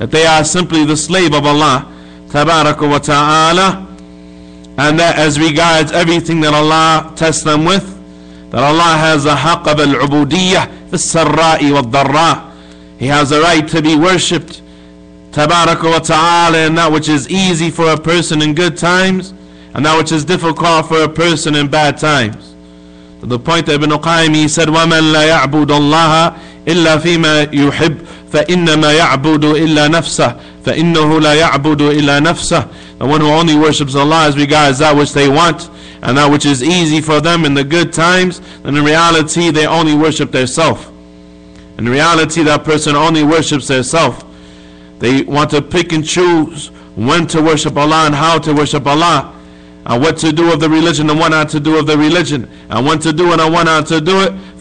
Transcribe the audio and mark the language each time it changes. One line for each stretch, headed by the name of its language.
English: that they are simply the slave of Allah tabaraka wa ta'ala, and that as regards everything that Allah tests them with, that Allah has the haqq of
Arabic: al-ubudiyyah fi sarra'i wa dharra.
English: He has the right to be worshipped tabaraka wa ta'ala, and that which is easy for a person in good times, and that which is difficult for a person in bad times. To the point that Ibn Qayyim, he said,
Arabic: وَمَنْ لَا يَعْبُدُ اللَّهَ إِلَّا فِي مَا يُحِبْ فَإِنَّمَا يَعْبُدُ إِلَّا نَفْسَهُ فَإِنَّهُ لَا يَعْبُدُ إِلَّا نَفْسَهُ.
English: The one who only worships Allah as regards that which they want, and that which is easy for them in the good times, then in reality they only worship their self. In reality that person only worships their self. They want to pick and choose when to worship Allah and how to worship Allah, and what to do of the religion and what not to do of the religion, and when to do it and what not to do it.